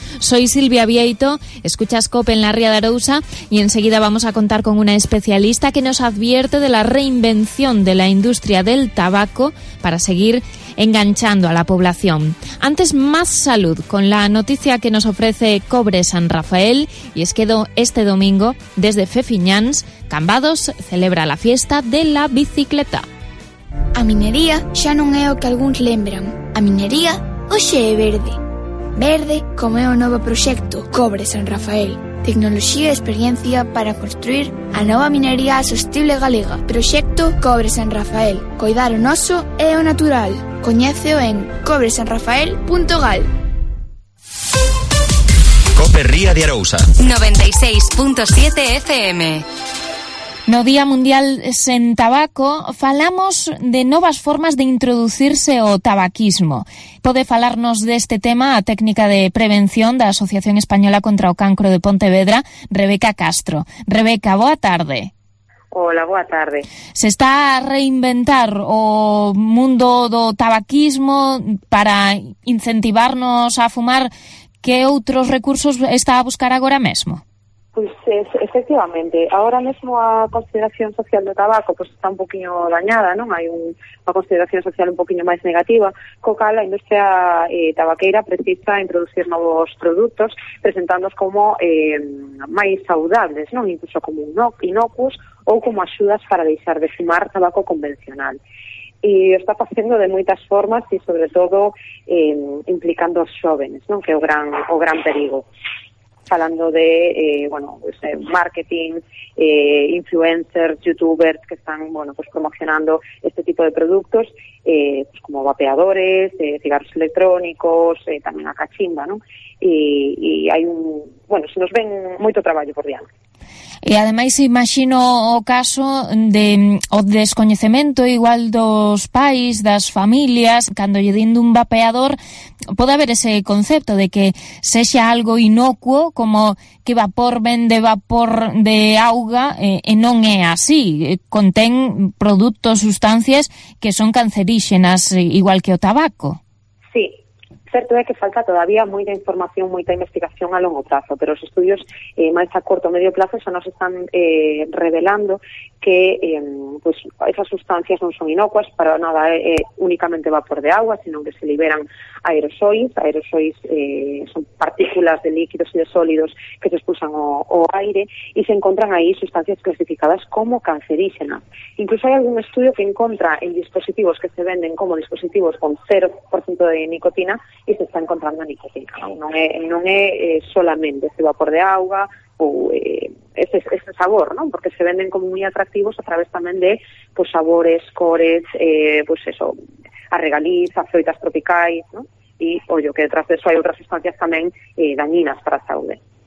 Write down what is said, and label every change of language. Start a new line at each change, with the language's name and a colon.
Spanish: Soy Silvia Vieito, escuchas COPE en la Ría de Arousa y enseguida vamos a contar con una especialista que nos advierte de la reinvención de la industria del tabaco para seguir enganchando a la población. Antes, más salud con la noticia que nos ofrece Cobre San Rafael, y es que este domingo, desde Fefiñans, Cambados celebra la fiesta de la bicicleta.
Galician: A minería xa non é o que algúns lembran. A minería hoxe é verde. Verde como é o novo proxecto Cobre San Rafael. Tecnoloxía e experiencia para construir a nova minería sostible galega. Proxecto Cobre San Rafael. Coidar o noso e o natural. Coñéceo en cobresanrafael.gal. COPE Ría de Arousa 96.7 FM. No Día Mundial sen Tabaco, falamos de novas formas de introducirse o tabaquismo. Pode falarnos deste tema a técnica de prevención da Asociación Española contra o Cancro de Pontevedra, Rebeca Castro. Rebeca, boa tarde. Hola, boa tarde. Se está a reinventar o mundo do tabaquismo para incentivarnos a fumar. Que outros recursos está a buscar agora mesmo? Pues, efectivamente,
Spanish: ahora mismo
Galician: a consideración social do tabaco pues está un poquinho dañada, non? Hai unha consideración social un poquinho máis negativa, co cal a industria tabaqueira precisa introducir novos produtos presentándoos como máis saudables, non? Incluso como inocuos ou como axudas para deixar de fumar tabaco convencional. E está facendo de moitas formas e, sobre todo, implicando os xóvenes, non? Que é o gran perigo. Falando de marketing, influencers, youtubers que están promocionando este tipo de productos, pues como vapeadores, cigarros electrónicos, tamén a cachimba, ¿no? E hai se nos ven moito traballo por diante. E ademais imagino o caso de o descoñecemento igual dos pais, das familias, cando lle din dun vapeador, pode haber ese concepto de que sexa algo inocuo, como que vapor ven de vapor de auga, e non é así, contén produtos, sustancias que son cancerígenas igual que o tabaco. Sí. Certo é que falta todavía moita información, moita investigación a longo plazo, pero os estudios máis a corto ou medio plazo xa nos están revelando que esas sustancias non son inocuas para nada, únicamente vapor de agua, sino que se liberan aerosois son partículas de líquidos e de sólidos que se expulsan o aire, e se encontran aí sustancias clasificadas como cancerígenas. Incluso hai algún estudio que encontra en dispositivos que se venden como dispositivos con 0% de nicotina e se está encontrando nicotina. Non é solamente ese vapor de agua ou ese sabor, ¿no? Porque se venden como moi atractivos a través tamén de sabores, cores, a regaliz, a froitas tropicais, ¿no? E, ollo, que detrás de eso hai outras sustancias tamén dañinas para a saúde.